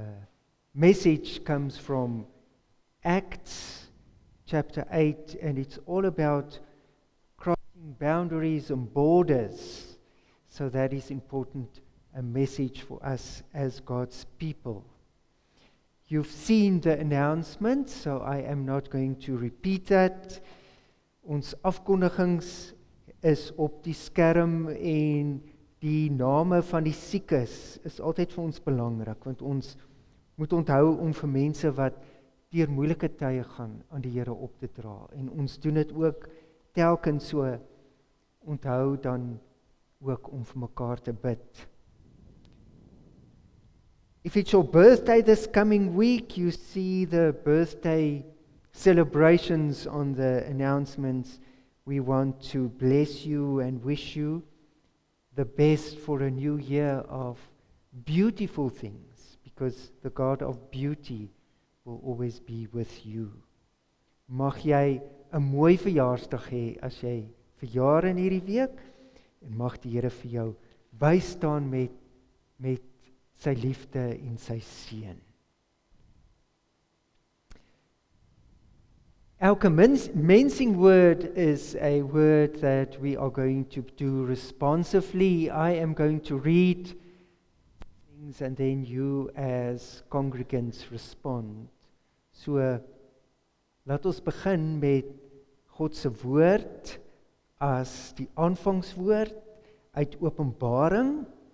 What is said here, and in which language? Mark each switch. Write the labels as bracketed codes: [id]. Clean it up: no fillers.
[en] Our message comes from Acts chapter 8 and it's all about crossing boundaries and borders. So that is important, a message for us as God's people. You've seen the announcement, so I am not going to repeat that. [af] Ons afkondigings is op die skerm en die name van die siekes is altyd vir ons belangrik, want ons moet onthou om vir mense wat deur moeilike tye gaan aan die Here op te dra. En ons doen dit ook telkens so, onthou dan ook om vir mekaar te bid. [en] If it's your birthday this coming week, you see the birthday celebrations on the announcements. We want to bless you and wish you the best for a new year of beautiful things, because the God of beauty will always be with you. [af] Mag jy 'n mooi verjaarsdag hê as jy verjaar in hierdie week, en mag die Here vir jou bystaan met sy liefde en sy seën. Elke mensing [en] word is a word that we are going to do responsively. I am going to read things and then you as congregants respond. [af] So, laat ons begin met God se woord as die aanvangswoord uit Openbaring.